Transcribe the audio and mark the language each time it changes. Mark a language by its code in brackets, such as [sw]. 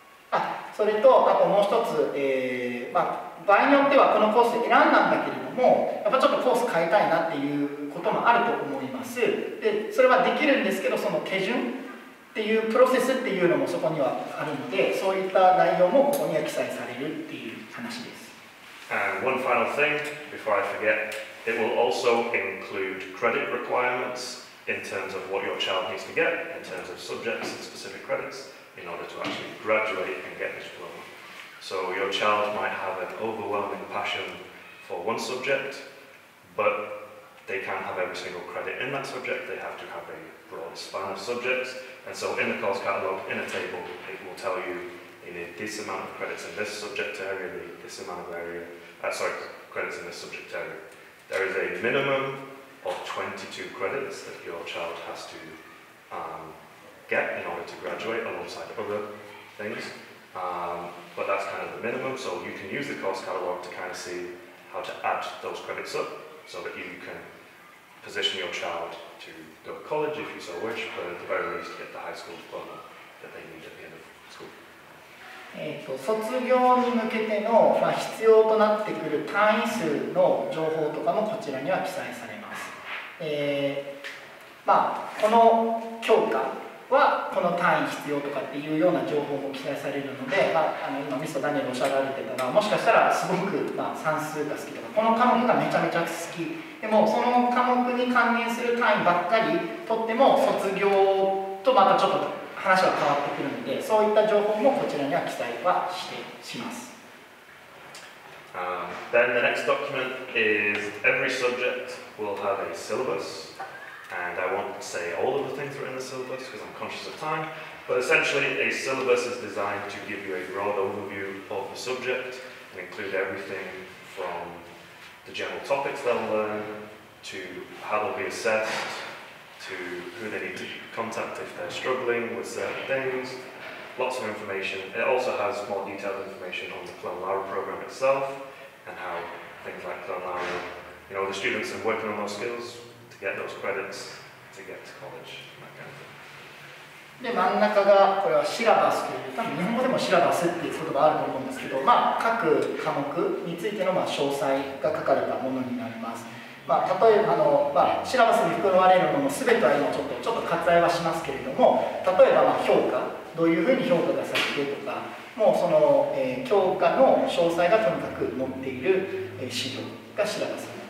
[ja] あ、それとあともう一つ、まあ場合によってはこのコース選んだんだけれども、やっぱちょっとコース変えたいなっていうこともあると思います。で、それはできるんですけど、その手順っていうプロセスっていうのもそこにはあるので、そういった内容もここには記載されるっていう話です。 [en] And one final thing before I forget, it will also include credit requirements in terms of what your child needs to get, in terms of subjects and specific credits, in order to actually graduate and get this diploma. So your child might have an overwhelming passion for one subject, but they can't have every single credit in that subject. They have to have a broad span of subjects. And so in the course catalog, in a table, it will tell you you need this amount of credits in this subject area, this amount of area, credits in this subject area. There is a minimum of 22 credits that your child has to get in order to graduate alongside other things. But that's kind of the minimum, so you can use the course catalog to kind of see how to add those credits up so that you can position your child to go to college if you so wish, but at the very least get the high school diploma that they need at the end of school. [ja] 卒業に向けての、まあ、必要となってくる単位数の情報とかもこちらには記載されます。まあ、この教科はこの単位必要とかっていうような情報も記載されるので、まあ、今ミスターダニエルおっしゃられてたのはもしかしたらすごく、まあ、算数が好きとかこの科目がめちゃめちゃ好きでもその科目に関連する単位ばっかり取っても卒業とまたちょっと話は変わってくるのでそういった情報もこちらには記載はしてします。 [en] Then the next document is every subject will have a syllabusAnd I won't say all of the things that are in the syllabus because I'm conscious of time, but essentially a syllabus is designed to give you a broad overview of the subject and include everything from the general topics they'll learn, to how they'll be assessed, to who they need to contact if they're struggling with certain things, lots of information. It also has more detailed information on the Clone Lara program itself and how things like Clone Lara, you know, the students are working on those skills,get those credits to get to college. [ja] で真ん中がこれはシラバスという多分日本語でもシラバスっていう言葉があると思うんですけど、まあ、各科目についてのまあ詳細が書かれたものになります。まあ、例えばまあ、シラバスに含まれるもの全ては今ちょっと割愛はしますけれども例えばまあ評価どういうふうに評価がされてとかもうその、教科の詳細がとにかく載っている、資料がシラバス。